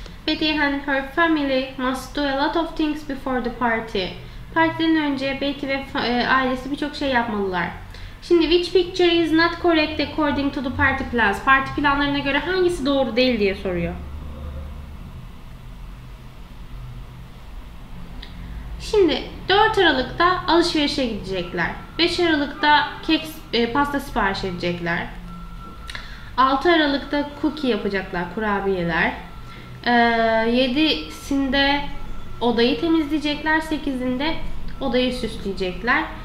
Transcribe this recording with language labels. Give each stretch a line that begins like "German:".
English: Betty and her family must do a lot of things before the party.
Turkish: Partiden önce Betty ve ailesi birçok şey yapmalılar.
English: Şimdi which picture is not correct according to the party plans?
Turkish: Parti planlarına göre hangisi doğru değil diye soruyor. Şimdi 4 Aralık'ta alışverişe gidecekler. 5 Aralık'ta kek, pasta sipariş edecekler. 6 Aralık'ta cookie yapacaklar, kurabiyeler. 7'sinde odayı temizleyecekler, 8'inde odayı süsleyecekler.